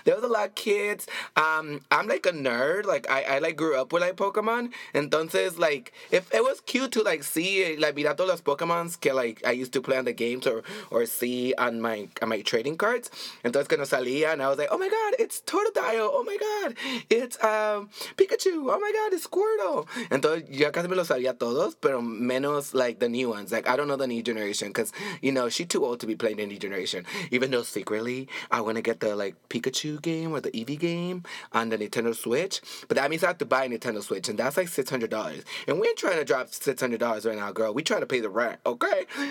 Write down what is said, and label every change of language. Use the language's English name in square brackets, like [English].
[English] There was a lot of kids. I'm, like, a nerd. Like, I like, grew up with, like, Pokemon. Entonces, like, if it was cute to, like, see, like, [Spanish] mirar todos los Pokemons que, [English] like, I used to play on the games or see on my trading cards. [Spanish] Entonces, cuando salía, [English] and I was like, oh, my God, it's Totodile. Oh, my God. It's Pikachu. Oh, my God, it's Squirtle. [Spanish] Entonces, ya casi me lo sabía todos, pero menos, [English] like, the new ones. Like, I don't know the new generation because, you know, she's too old to be playing the new generation. Even though secretly, I want to get the, like, Pikachu game or the Eevee game on the Nintendo Switch. But that means I have to buy a Nintendo Switch. And that's, like, $600. And we ain't trying to drop $600 right now, girl. We trying to pay the rent, okay?